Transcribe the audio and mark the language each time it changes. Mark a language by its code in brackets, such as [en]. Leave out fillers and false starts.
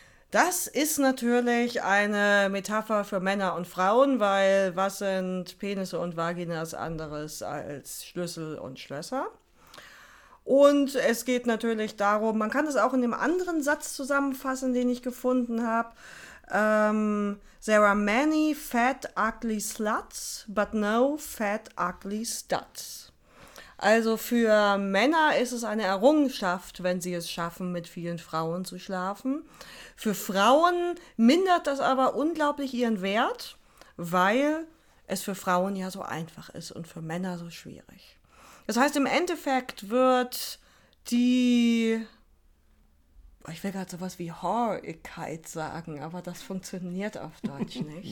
[de] Das ist natürlich eine Metapher für Männer und Frauen, weil was sind Penisse und Vaginas anderes als Schlüssel und Schlösser? Und es geht natürlich darum, man kann es auch in dem anderen Satz zusammenfassen, den ich gefunden habe. [en] There are many fat, ugly sluts, but no fat, ugly studs. [de] Also für Männer ist es eine Errungenschaft, wenn sie es schaffen, mit vielen Frauen zu schlafen. Für Frauen mindert das aber unglaublich ihren Wert, weil es für Frauen ja so einfach ist und für Männer so schwierig. Das heißt, im Endeffekt wird die, ich will gerade sowas wie Whore-Ekeit sagen, aber das funktioniert auf Deutsch nicht.